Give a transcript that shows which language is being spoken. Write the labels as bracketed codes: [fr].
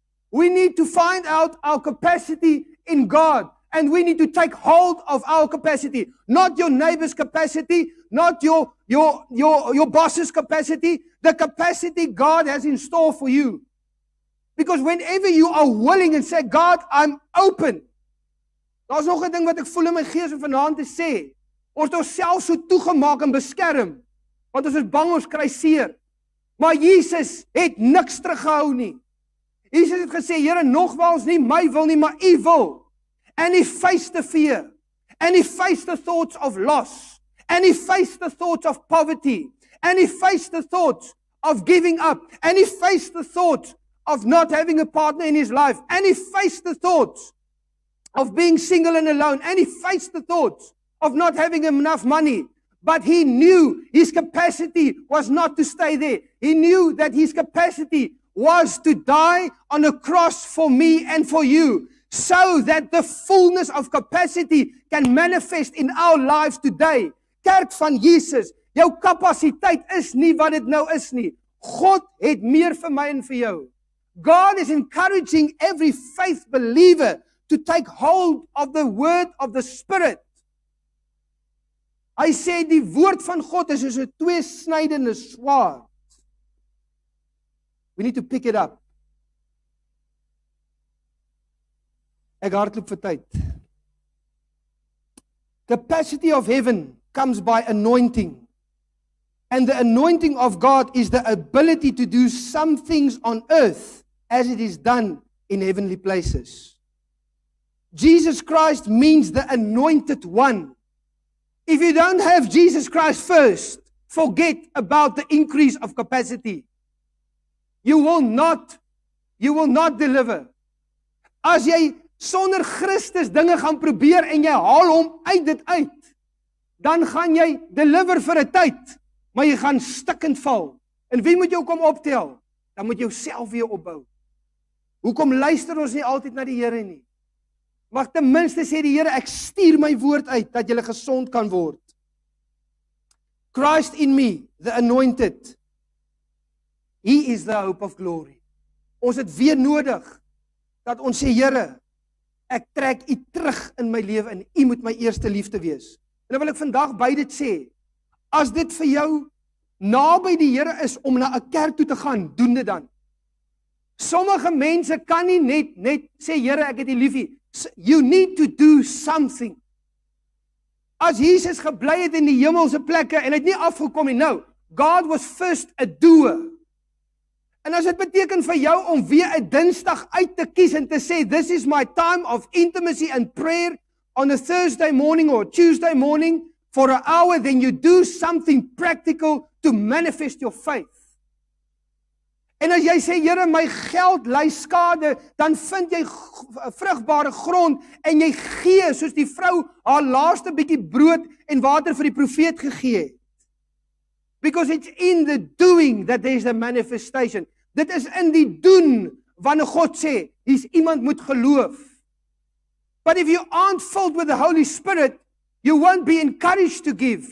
[en] We need to find out our capacity in God, and we need to take hold of our capacity, not your neighbor's capacity, not your boss's capacity, the capacity God has in store for you. Because whenever you are willing and say, God, I'm open. [af] Daar's nog 'n ding wat ek voel in my gees om vanaand te sê. Ons het onsself so toegemaak en beskerm, want ons is bang ons kry seer. Maar Jesus het niks teruggehou nie. Jesus het gesê, Here, nogmaals nie my wil nie, maar u wil. [en] And he faced the fear. And he faced the thoughts of loss. And he faced the thoughts of poverty. And he faced the thoughts of giving up. And he faced the thoughts of not having a partner in his life. And he faced the thoughts of being single and alone. And he faced the thoughts of not having enough money. But he knew his capacity was not to stay there. He knew that his capacity was to die on a cross for me and for you, so that the fullness of capacity can manifest in our lives today. [af] Kerk van Jesus, jou kapasiteit is nie wat dit nou is nie. God het meer vir my en vir jou. [en] God is encouraging every faith believer to take hold of the word of the Spirit. [af] Hy sê die woord van God is soos 'n tweesnydende swaard. [en] We need to pick it up. [af] Ek hardloop vir tyd. [en] Capacity of heaven comes by anointing. And the anointing of God is the ability to do some things on earth as it is done in heavenly places. Jesus Christ means the anointed one. If you don't have Jesus Christ first, forget about the increase of capacity. You will not deliver. [af] As jy sonder Christus dinge gaan probeer en jy haal hom uit dit uit, dan gaan jy deliver vir 'n tyd, maar jy gaan stikkend val. En wie moet jou kom optel? Dan moet jou self weer opbou. Hoekom luister ons nie altyd na die Here nie? Mag ten minste sê die Here, ek stuur my woord uit dat julle gesond kan word. [en] Christ in me, the anointed. He is the hope of glory. [af] Ons het weer nodig dat ons sê, Here, ek trek u terug in my lewe en u moet my eerste liefde wees. En dan wil ek vandag by dit sê, as dit vir jou naby die Here is om na 'n kerk toe te gaan, doen dit dan. Sommige mense kan nie net sê, Here, ek het u liefie. [en] You need to do something. [af] As Jesus gebly het in die hemelse plekke en het nie afgekom nie, nou, [en] God was first a doer. [af] En as dit beteken vir jou om weer 'n Dinsdag uit te kies en te sê, [en] this is my time of intimacy and prayer on a Thursday morning or Tuesday morning for an hour, then you do something practical to manifest your faith. [af] En as jy sê, Here, my geld ly skade, dan vind jy vrugbare grond en jy gee soos die vrou haar laaste bietjie brood en water vir die profeet gegee het. [en] Because it's in the doing that there's a manifestation. [af] Dit is in die doen wanneer God sê, hier's iemand moet geloof. [en] But if you aren't filled with the Holy Spirit, you won't be encouraged to give.